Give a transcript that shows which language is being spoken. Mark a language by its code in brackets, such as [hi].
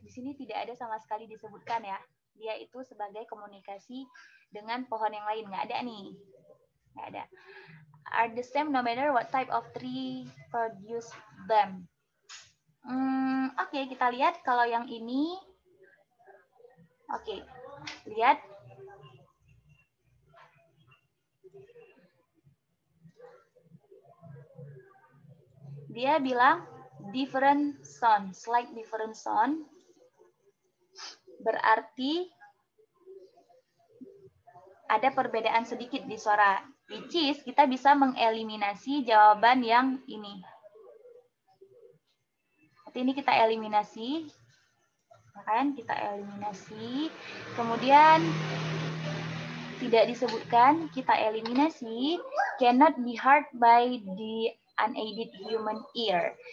[id] Di sini tidak ada sama sekali disebutkan ya. Dia itu sebagai komunikasi dengan pohon yang lain. Nggak ada nih. Nggak ada. [en] Are the same no matter what type of tree produce them. [id] Oke, kita lihat kalau yang ini. Oke, lihat. Dia bilang [en] different sound, slight different sound. [id] Berarti ada perbedaan sedikit di suara. [en] Which is, [id] kita bisa mengeliminasi jawaban yang ini. Ini kita eliminasi. Kan? Kita eliminasi. Kemudian tidak disebutkan, kita eliminasi. [en] Cannot be heard by the unaided human ear.